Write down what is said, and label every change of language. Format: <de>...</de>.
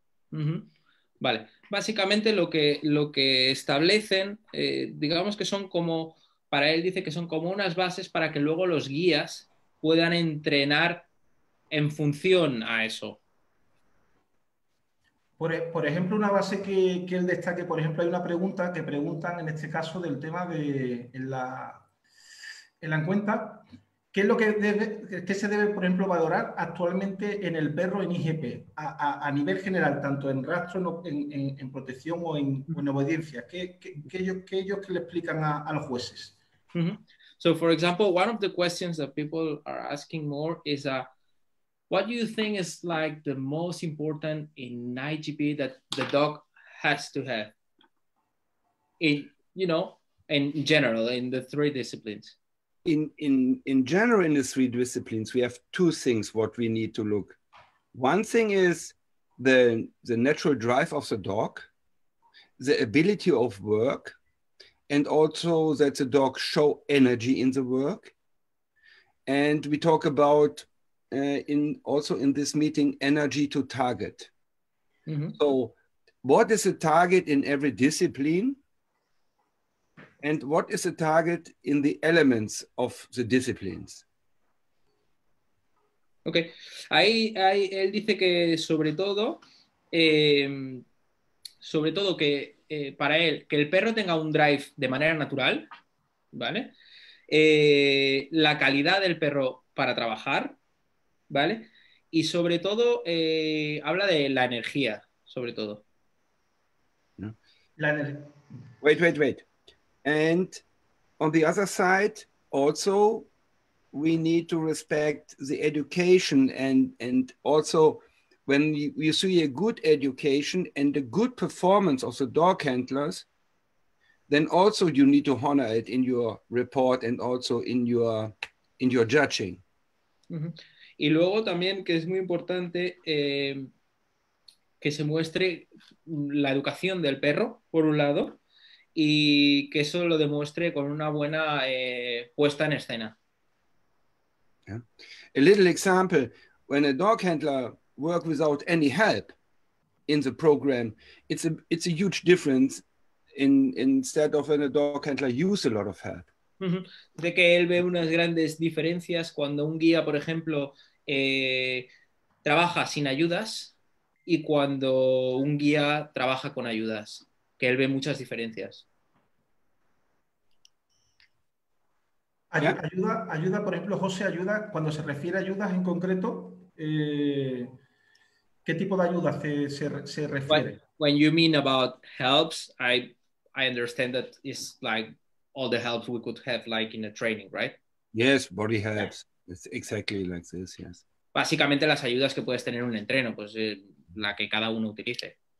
<es>Mm-hmm. Vale, básicamente lo que establecen, digamos que son como para él dice que son como unas bases para que luego los guías puedan entrenar en función a eso. Por ejemplo, una base que él destaque, por ejemplo, hay una pregunta que preguntan en este caso del tema de en la encuesta, ¿qué es lo que debe, qué se debe, por ejemplo, valorar actualmente en el perro en IGP a nivel general, tanto en rastro, en protección o en obediencia? ¿Qué ellos que le explican a los jueces? Mm-hmm.</es> <en>So, for example, one of the questions that people are asking more is what do you think is like the most important in IGP that the dog has to have? In general, in the three disciplines. In general, in the three disciplines, we have two things what we need to look. One thing is the natural drive of the dog, the ability of work, and also that the dog show energy in the work. And we talk about in this meeting, energy to target. Mm-hmm. So what is the target in every discipline? And what is the target in the elements of the disciplines?</en> <es>Okay, ahí él dice que sobre todo que para él, que el perro tenga un drive de manera natural, ¿vale? La calidad del perro para trabajar, ¿vale? Y sobre todo, habla de la energía, sobre todo. La energía.</es> <en>Wait. And on the other side, also, we need to respect the education and also when you see a good education and a good performance of the dog handlers, then also you need to honor it in your report and also in your judging.</en> <es>Mm-hmm. Y luego también que es muy importante que se muestre la educación del perro, por un lado, y que eso lo demuestre con una buena puesta en escena.</es> <en>Yeah. A little example, when a dog handler work without any help in the program, it's a huge difference instead of when a dog handler use a lot of help.</en> <es>De que él ve unas grandes diferencias cuando un guía, por ejemplo, trabaja sin ayudas y cuando un guía trabaja con ayudas, que él ve muchas diferencias. Ayuda, por ejemplo, José, ayuda, cuando se refiere a ayudas en concreto, ¿qué tipo de ayuda se refiere?</es> <en>When you mean about helps, I understand that it's like all the helps we could have like in a training, right? Yes, body helps. It's exactly like this, yes.</en> <es>Básicamente las ayudas que puedes tener en un entreno, pues la que cada uno utilice.</es>